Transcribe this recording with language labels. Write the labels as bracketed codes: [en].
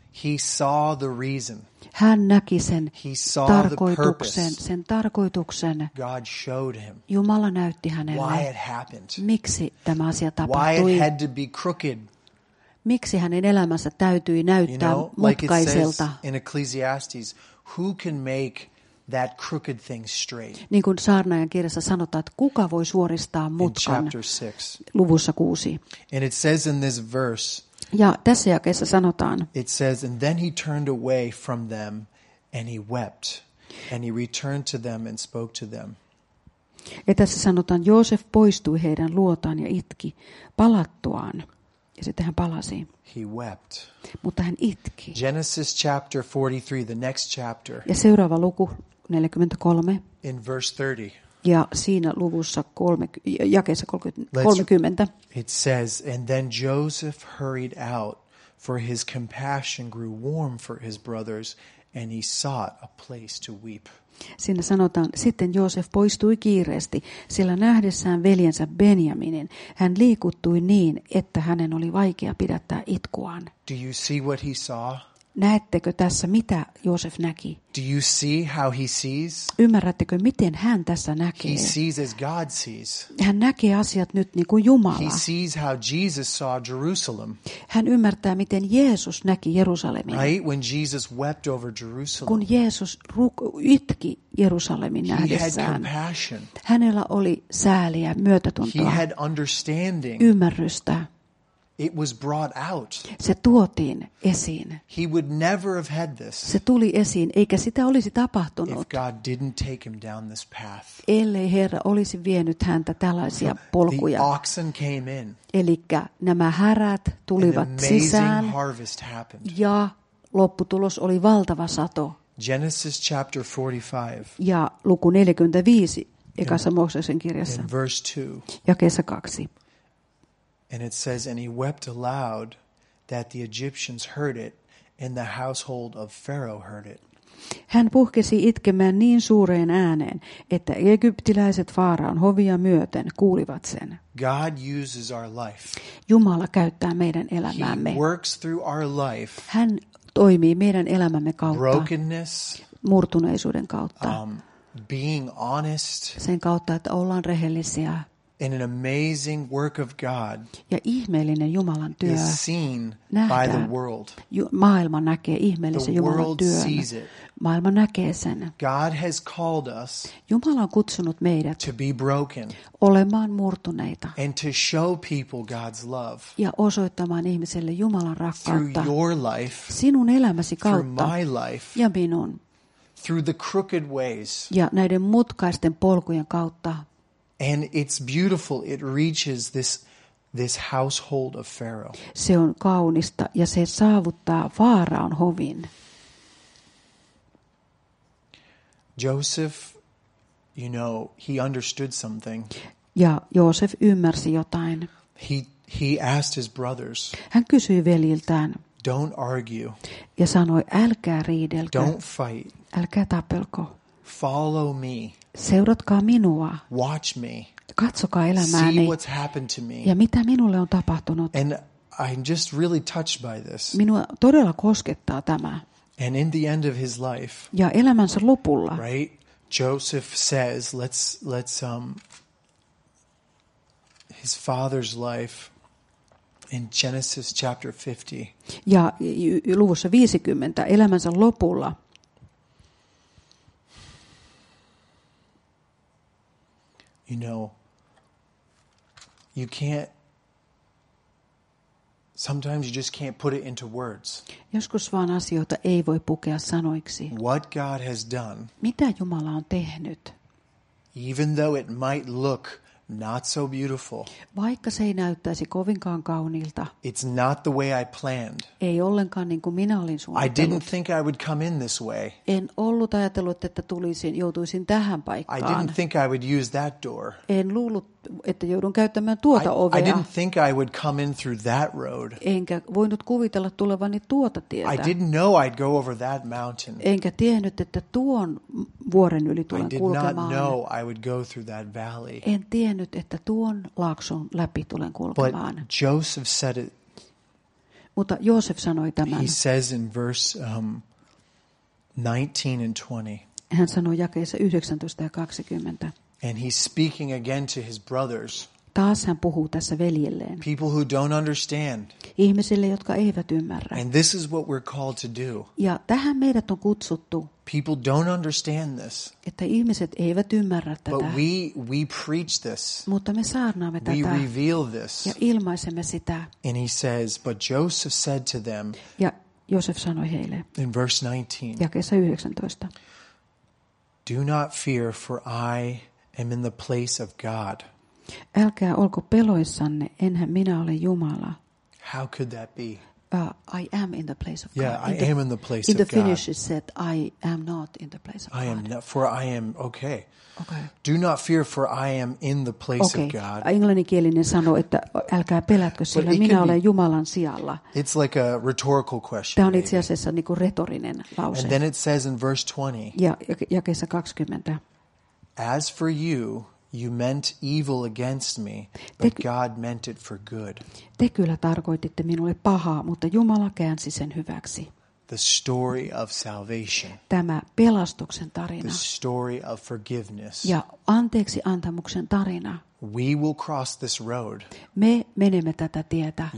[en] He saw the reason. [fi] Hän näki sen tarkoituksen, sen tarkoituksen. [en] God showed him. [fi] Jumala näytti hänelle. [en] Why it happened. [fi] Miksi tämä asia tapahtui? [en] Why it had to be crooked. [fi] Miksi hänen elämänsä täytyi näyttää mutkaiselta? [en] In Ecclesiastes, who can make that crooked thing straight? [fi] Niin kuin saarnaajan kirjassa sanotaan, että kuka voi suoristaa mutkan? Luvussa 6. [en] And it says in this verse. [fi] Ja tässä jakeessa sanotaan. [en] It says, and then he turned away from them and he wept and he returned to them and spoke to them. [fi] Ja tässä sanotaan, Joosef poistui heidän luotaan ja itki palattuaan. Ja sitten hän palasi. [en] He wept. [fi] Mutta hän itki. [en] Genesis chapter 43, the next chapter. [fi] Ja seuraava luku 43. [en] In verse 30. [fi] Ja siinä luvussa jakeessa 30. [en] It says, and then Joseph hurried out, for his compassion grew warm for his brothers, and he sought a place to weep. [fi] Siinä sanotaan, sitten Joosef poistui kiireesti, sillä nähdessään veljensä Benjaminin, hän liikuttui niin, että hänen oli vaikea pidättää itkuaan. [en] Do you see what he saw? [fi] Näettekö tässä, mitä Joosef näki? [en] Do you see how he sees? [fi] Ymmärrättekö, miten hän tässä näkee? [en] He sees as God sees. [fi] Hän näkee asiat nyt niin kuin Jumala. [en] He sees how Jesus saw Jerusalem. [fi] Hän ymmärtää, miten Jeesus näki Jerusalemin. [en] Right? When Jesus wept over Jerusalem. [fi] Kun Jeesus itki Jerusalemin nähdessään. [en] He had compassion. [fi] Hänellä oli sääliä, myötätuntoa. [en] He had understanding. [fi] Ymmärrystä. [en] It was brought out. [fi] Se tuotiin esiin. [en] He would never have had this. [fi] Se tuli esiin, eikä sitä olisi tapahtunut. [en] If God didn't take him down this path. [fi] Ellei Herra olisi vienyt häntä tällaisia polkuja. [en] The oxen came in. [fi] Elikkä nämä härät tulivat sisään. [en] An amazing harvest happened. [fi] Ja lopputulos oli valtava sato. [en] Genesis chapter 45. [fi] Ja luku 45 ekassa Mooseksen kirjassa. [en] In verse 2. [fi] Jakeessa 2. [en] And it says, and he wept aloud that the Egyptians heard it, and the household of Pharaoh heard it. [fi] Hän puhkesi itkemään niin suureen ääneen, että egyptiläiset Faaraan hovia myöten kuulivat sen. [en] God uses our life. [fi] Jumala käyttää meidän elämäämme. [en] He works through our life. [fi] Hän toimii meidän elämämme kautta. [en] Brokenness. [fi] Murtuneisuuden kautta. [en] Being honest. [fi] Sen kautta, että ollaan rehellisiä. [en] In an amazing work of God. [fi] Ja ihmeellinen Jumalan työ. [en] Is seen by the world. [fi] Maailma näkee ihmeellisen Jumalan työn. Maailma näkee sen. [en] God has called us. [fi] Jumala on kutsunut meidät. [en] To be broken. [fi] Olemaan murtuneita. [en] And to show people God's love. [fi] Ja osoittamaan ihmiselle Jumalan rakkautta. [en] Through your life. [fi] Sinun elämäsi kautta. [en] Through my life. [fi] Ja minun. [en] Through the crooked ways. [fi] Ja näiden mutkaisten polkujen kautta. [en] And it's beautiful, it reaches this household of Pharaoh. [fi] Se on kaunista ja se saavuttaa Faaraon hovin. [en] Joseph, you know, he understood something. [fi] Ja Joosef ymmärsi jotain. [en] He asked his brothers. [fi] Hän kysyi veljiltään. [en] Don't argue. [fi] Ja sanoi, älkää riidelkö. [en] Don't fight. [fi] Älkää tapelko. [en] Follow me. [fi] Seuratkaa minua. [en] Watch me. [fi] Katsokaa elämääni. [en] See what's happened to me. [fi] Ja mitä minulle on tapahtunut. [en] And I'm just really touched by this. [fi] Minua todella koskettaa tämä. [en] And in the end of his life. [fi] Ja elämänsä lopulla. [en] Right? Joseph says, let's his father's life in Genesis chapter 50. [fi] Ja luvussa 50 elämänsä lopulla. [en] You know, you can't, sometimes you just can't put it into words. [fi] Joskus vaan asioita ei voi pukea sanoiksi. [en] What God has done. [fi] Mitä Jumala on tehnyt. [en] Even though it might look not so beautiful. [fi] Vaikka se ei näyttäisi kovinkaan kauniilta. [en] It's not the way I planned. [fi] Ei ollenkaan niin kuin minä olin suunnitellut. [en] I didn't think I would come in this way. [fi] En ollut ajatellut, että joutuisin tähän paikkaan. [en] I didn't think I would use that door. [fi] En luullut, että joudun käyttämään tuota ovea. [en] I didn't think I would come in through that road. [fi] Enkä voinut kuvitella tulevani tuota tietä. [en] I didn't know I'd go over that mountain. [fi] Enkä tiennyt, että tuon vuoren yli tulen kulkemaan. [en] I did not know I would go through that valley. [fi] En tiennyt, että tuon laakson läpi tulen kulkemaan. [en] But Joseph said it. [fi] Mutta Joosef sanoi tämän. [en] He says in verse 19 and 20. [fi] Hän sanoi jakeessa 19 ja 20. [en] And he's speaking again to his brothers. [fi] Taas hän puhuu tässä veljelleen. [en] People who don't understand. [fi] Ihmisille, jotka eivät ymmärrä. [en] And this is what we're called to do. [fi] Ja tähän meidät on kutsuttu. [en] People don't understand this. [fi] Että ihmiset eivät ymmärrä tätä. [en] But we preach this. [fi] Mutta me saarnaamme tätä. [en] We reveal this. [fi] Ja ilmaisemme sitä. [en] And he says, but Joseph said to them. [fi] Ja Joosef sanoi heille. [en] In verse 19. [fi] Jakeessa 19. [en] Do not fear, for I am in the place of God. [fi] Älkää olko peloissanne, enhän minä ole Jumala. [en] How could that be? I am in the place of God. Yeah, I am in the place of God. In the finish, it said, I am not in the place of God. I am not, for I am, okay. Okay. Do not fear, for I am in the place okay. of God. [fi] Englanninkielinen sanoo, että älkää pelätkö, sillä minä olen Jumalan sijalla. [en] It's like a rhetorical question. [fi] Tämä on itse asiassa niin kuin retorinen lause. [en] And then it says in verse 20. [fi] Ja jakeessa 20. [en] As for you, you meant evil against me, but God meant it for good. [fi] Te kyllä tarkoititte minulle pahaa, mutta Jumala käänsi sen hyväksi. [en] The story of salvation. [fi] Tämä pelastuksen tarina. [en] The story of forgiveness. [fi] Ja anteeksi antamuksen tarina. [en] We will cross this road. [fi] Me menemme tätä tietä.